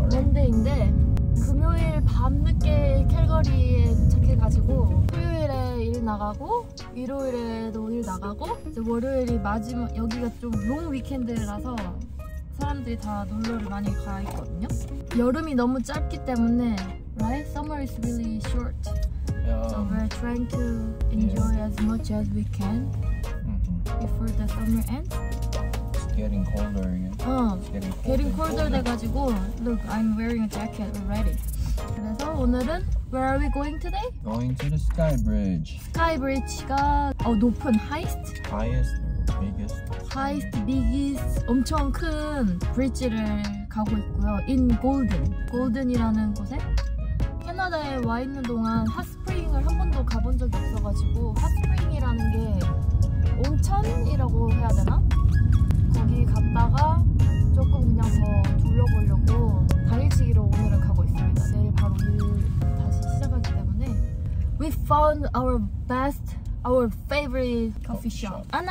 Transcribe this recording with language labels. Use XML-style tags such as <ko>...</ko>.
<ko>먼데이인데 금요일 밤늦게 캘거리에 도착해가지고 토요일에 일 나가고 일요일에도 일 나가고 이제 월요일이 마지막. 여기가 좀 롱 위켄드라서 사람들이 다 놀러를 많이 가 있거든요. 여름이 너무 짧기 때문에 right?</ko> <en>Summer is really short. So we're trying to enjoy as much as we can before the summer ends. It's getting colder again. Getting colder.</en> <ko>돼가지고</ko> <en>look, I'm wearing a jacket already.</en> <ko>그래서 오늘은</ko> <en>where are we going today? Going to the Sky Bridge.</en> <ko>Sky Bridge가 높은 highest?</ko> <en>Highest. Biggest. Highest, biggest,</en> <ko>엄청 큰 브릿지를 가고 있고요.</ko> <en>In Golden.</en> <ko>Golden이라는 곳에 캐나다에 와 있는 동안 핫스프링을 한 번도 가본 적이 없어가지고 핫스프링이라는 게 온천이라고 해야 되나? 거기 갔다가 조금 그냥 더 둘러보려고 당일치기로 오늘을 가고 있습니다. 내일 바로 일 다시 시작하기 때문에</ko> <en>We found our best Our favorite coffee shop.</en>